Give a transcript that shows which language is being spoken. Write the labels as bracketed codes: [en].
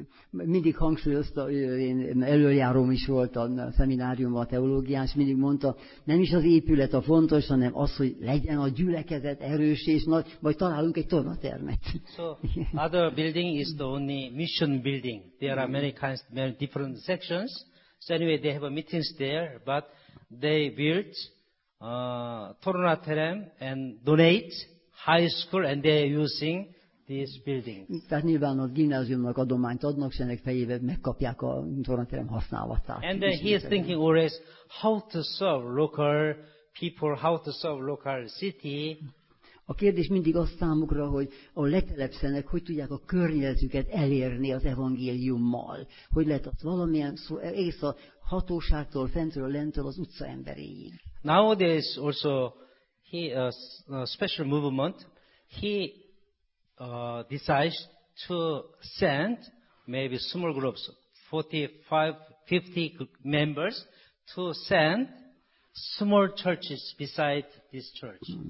[hu] Mindig hangsúlyozta, én előjárom is volt a szemináriumban, a teológián, és mindig mondta, nem is az épület a fontos, hanem az, hogy legyen a gyülekezet erős és nagy, vagy találunk egy tornatermet. [en] So, other building is the only mission building. There are many kinds, many different sections. So anyway, they have a meetings there, but they built tornaterem and donate high school, and they are using this building. [hu] Tehát nyilván a gimnáziumnak adományt adnak, és ennek fejében megkapják a tornaterem használatát. [en] And then he is thinking always how to serve local people, how to serve local city. [hu] A kérdés mindig az számukra, hogy a letelepszenek, hogy tudják a környezetüket elérni az evangéliummal. Hogy lehet az valamilyen szó, egész a hatóságtól, fentről, lentől az utca emberéig. [en] Nowadays also he a special movement, he decides to send maybe small groups, 45-50 members, to send small churches beside this church.